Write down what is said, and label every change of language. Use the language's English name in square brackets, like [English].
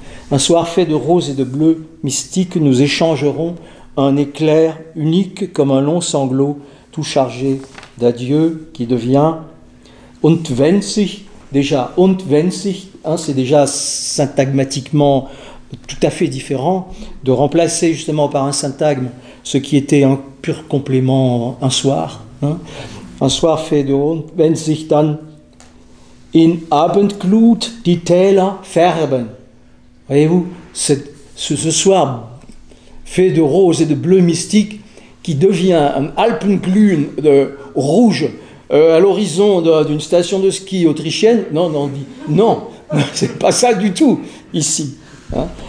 [French] Un soir fait de rose et de bleu mystique, nous échangerons un éclair unique comme un long sanglot tout chargé d'adieu qui devient [German] und wenn sich, [French] déjà und wenn sich, hein, c'est déjà syntagmatiquement tout à fait différent de remplacer justement par un syntagme ce qui était un pur complément un soir. Hein. Un soir fait de [German] und wenn sich dann in Abendglut die Täler färben. [French] Voyez-vous, ce soir fait de rose et de bleu mystique qui devient un Alpenglühen de rouge à l'horizon d'une station de ski autrichienne, non, c'est pas ça du tout ici. Hein.